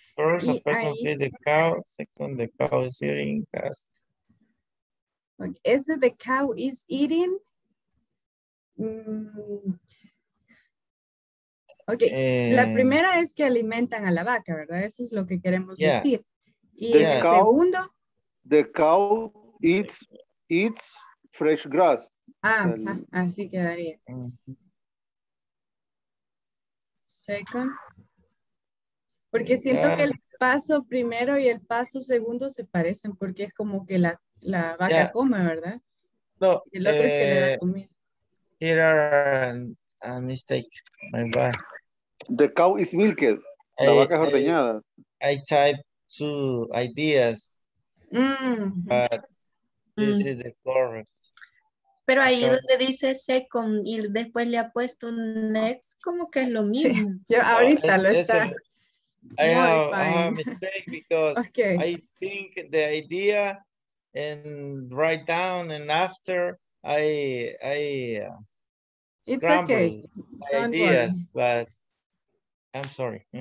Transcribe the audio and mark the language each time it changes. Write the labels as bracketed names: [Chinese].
[English] First, a person feed the cow, second, the cow is eating grass. Okay. Ese the cow is eating. [Spanish] Okay, la primera es que alimentan a la vaca, ¿verdad? Eso es lo que queremos decir. segundo? [English] The cow eats fresh grass. [Spanish] Ah, así quedaría. [English] Second. [Spanish] Porque siento que el paso primero y el paso segundo se parecen, porque es como que la vaca come, ¿verdad? No. Y el otro es que le da comida. [English] Here are a mistake, my bad. The cow is milked. [Spanish] La vaca es ordeñada. [English] I type two ideas, but this is the correct. [Spanish] Pero ahí donde dice second y después le ha puesto next, como que es lo mismo. Sí. Yo ahorita lo está. [English] I have a mistake because okay. I think the idea and write down and after it's okay. Ideas, but I'm sorry.